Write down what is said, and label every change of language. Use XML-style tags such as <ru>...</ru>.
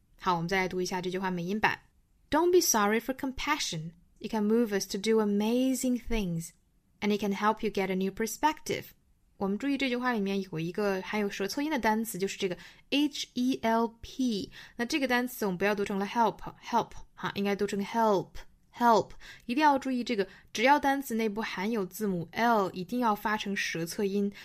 <zh>好我们再来读一下这句话美音版。</zh> <en>Don't be sorry for compassion. It can move us to do amazing things. And it can help you get a new perspective.</en> <zh>我们注意这句话里面有一个含有舌错音的单词就是这个 H-E-L-P. 那这个单词我们不要读成了 help, help, 哈应该读成 help, help. 一定要注意这个只要单词内部含有字母 L, 一定要发成舌错音。</zh>